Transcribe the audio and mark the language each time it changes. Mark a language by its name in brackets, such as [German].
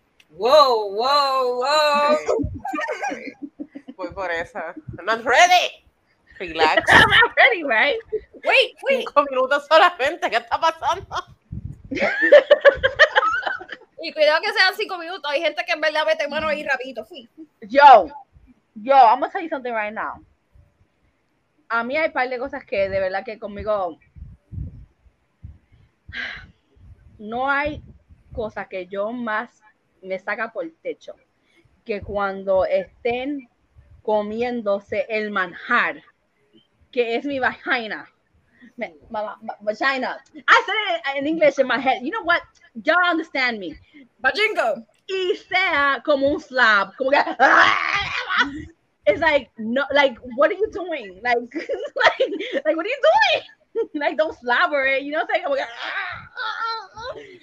[Spanish] ¡Wow! ¡Wow! ¡Wow! Voy por esa. [English] ¡I'm not ready! Relax. I'm not ready, right? Wait. [Spanish] 5 minutos solamente. ¿Qué está pasando? Y cuidado que sean 5 minutos. Hay gente que en verdad mete mano ahí rapidito. Sí. [English] Yo, I'm gonna tell you something right now. [Spanish] A mí hay un par de cosas que de verdad que conmigo... No hay cosa que yo más me saca por el techo que cuando estén comiéndose el manjar, que es mi vagina. Vagina. [English] I said it in English in my head. You know what? Y'all understand me. [Spanish] Bajingo. Y sea como un slab. Como que... [English] It's like, no, like, what are you doing? Like, what are you doing? Like, don't slobber it, you know what I'm saying?